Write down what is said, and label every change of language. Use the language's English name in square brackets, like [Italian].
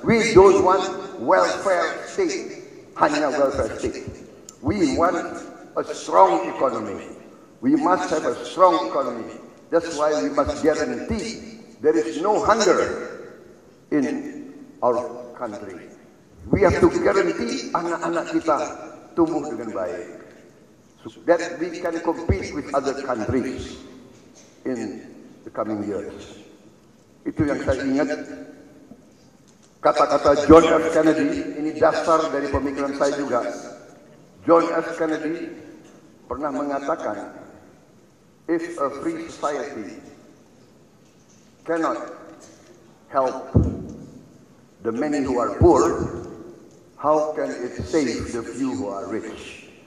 [English] We don't want welfare state, hanya welfare state. We want a strong economy. We must have a strong economy. That's why we must guarantee there is no hunger in our country. We have to guarantee [Indonesian] anak-anak kita tumbuh dengan baik. [English] So that we can compete with other countries in the coming years. [Indonesian] Itu yang saya ingat kata-kata John F. Kennedy. Ini dasar dari pemikiran saya juga. John F. [English] Kennedy [Indonesian] pernah mengatakan, [English] if a free society cannot help the many who are poor, how can it save the few who are rich?